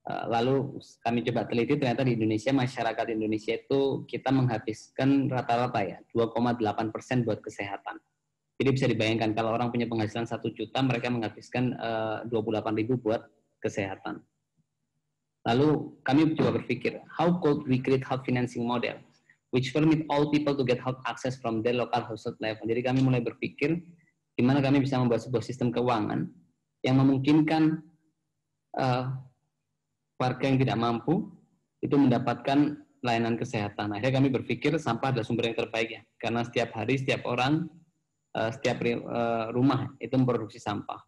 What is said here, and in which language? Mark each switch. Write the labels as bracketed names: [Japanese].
[Indonesian] Lalu kami coba teliti, ternyata di Indonesia, masyarakat Indonesia itu kita menghabiskan rata-rata ya 2,8% buat kesehatan. Jadi bisa dibayangkan, kalau orang punya penghasilan 1 juta, mereka menghabiskan 28.000 buat kesehatan. Lalu kami coba berpikir, [English] how could we create health financing model which permit all people to get health access from their local household level. [Indonesian] Jadi kami mulai berpikir, gimana kami bisa membuat sebuah sistem keuangan yang memungkinkan warga yang tidak mampu itu mendapatkan layanan kesehatan. Akhirnya kami berpikir, sampah adalah sumber yang terbaik ya. Karena setiap hari, setiap orang, setiap rumah itu memproduksi sampah.